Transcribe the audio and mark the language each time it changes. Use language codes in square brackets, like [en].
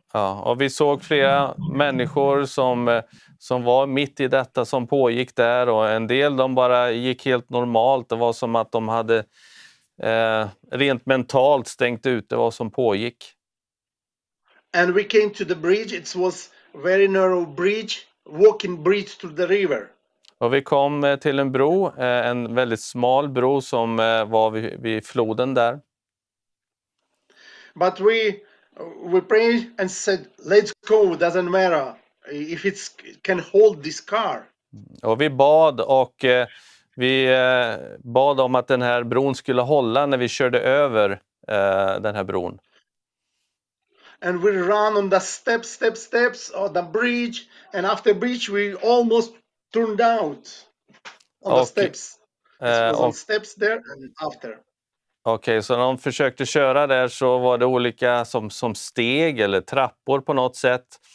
[sv] Ja, och vi såg flera människor som var mitt i detta som pågick där, och en del de bara gick helt normalt. Det var som att de hade rent mentalt stängt ut det vad som pågick. [en] And we came to the bridge. It was very narrow bridge, walking bridge to the river. [sv] Och vi kom till en bro, en väldigt smal bro som var vid floden där. [en] But we prayed and said, let's go, doesn't matter if it can hold this car. [sv] Och vi bad och vi bad om att den här bron skulle hålla när vi körde över den här bron. [en] And we ran on the steps of the bridge, and after bridge we almost turned out on the steps. On steps there and after. [sv] Okej, så när de försökte köra där så var det olika som steg eller trappor på något sätt.